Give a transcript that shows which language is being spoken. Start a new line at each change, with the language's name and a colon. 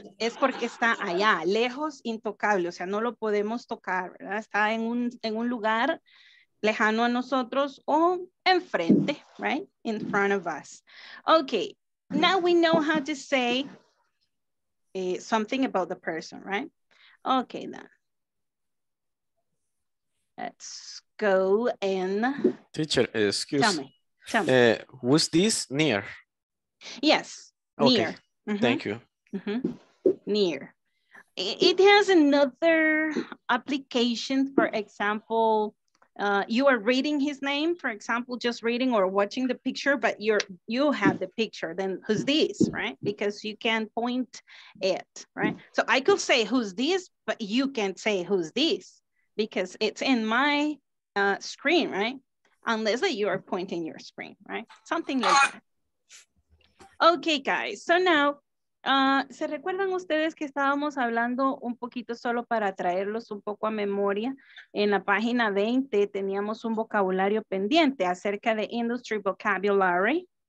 Spanish: Es porque está allá, lejos, intocable, o sea, no lo podemos tocar, ¿verdad? Está en un lugar lejano a nosotros o enfrente,
English: right? In front of us. Okay, now we know how to say something about the person, right? Okay, then. Let's go and... Teacher, excuse. Tell me. Who's this near? Yes, okay. Near. Mm-hmm. Thank you. Mm-hmm. Near. It has another application. For example, you are reading his name, for example, just reading or watching the picture, but you have the picture. Then who's this, right? Because you can point it, right? So I could say who's this, but you can't say who's this because it's in my screen, right? Unless that you are pointing your screen, right? Something like that. Okay, guys, so now,
Spanish: ¿se recuerdan ustedes que estábamos hablando un poquito solo para traerlos un poco a memoria? En la página 20 teníamos un vocabulario pendiente acerca de
English: industry vocabulary.